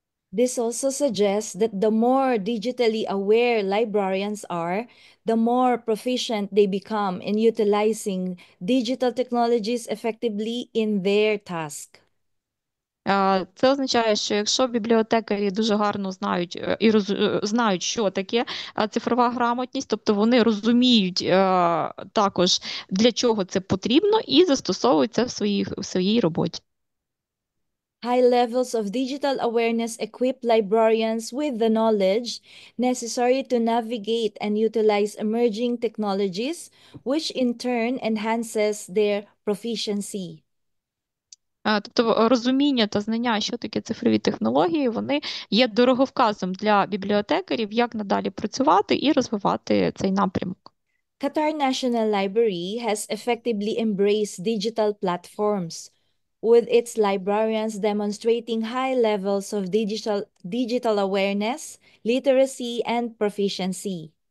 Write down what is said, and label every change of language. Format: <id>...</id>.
<en>This also suggests that the more digitally aware librarians are, the more proficient they become in utilizing digital technologies effectively in their task.</en> <uk>Це означає, що якщо бібліотекарі дуже гарно знають і знають, що таке цифрова грамотність, тобто вони розуміють також, для чого це потрібно і застосовують це в своїй роботі.</uk> <en>High levels of digital awareness equip librarians with the knowledge necessary to navigate and utilize emerging technologies, which in turn enhances their proficiency.</en> <uk>Тобто розуміння та знання, що таке цифрові технології, вони є дороговказом для бібліотекарів, як надалі працювати і розвивати цей напрямок.</uk> <en>Qatar National Library has effectively embraced digital platforms, with its librarians demonstrating high levels of digital awareness, literacy, and proficiency.</en>